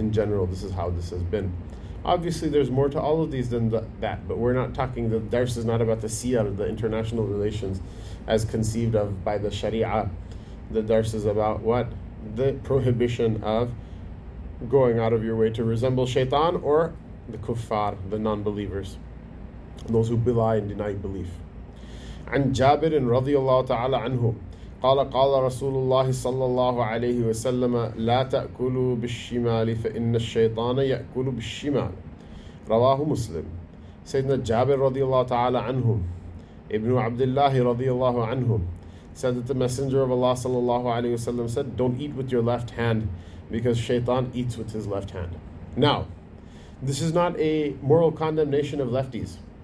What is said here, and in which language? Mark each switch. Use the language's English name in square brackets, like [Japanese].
[English] In general, this is how this has been. Obviously, there's more to all of these than that, but we're not talking, the dars is not about the siyar, the international relations as conceived of by the sharia. The dars is about what? The prohibition of going out of your way to resemble shaitan or the kuffar, the non-believers, those who belie and deny belief. [Arabic] عن جابر رضي الله تعالى عنه قال قال رسول الله صلى الله عليه وسلم لا تأكلوا بالشمال فإن الشيطان يأكل بالشمال رواه مسلم. سيدنا جابر رضي الله تعالى عنه ابن عبد الله رضي الله عنه [English] said that the messenger of Allah [Arabic] صلى الله عليه وسلم [English] said, don't eat with your left hand because shaitan eats with his left hand. Now, this is not a moral condemnation of lefties.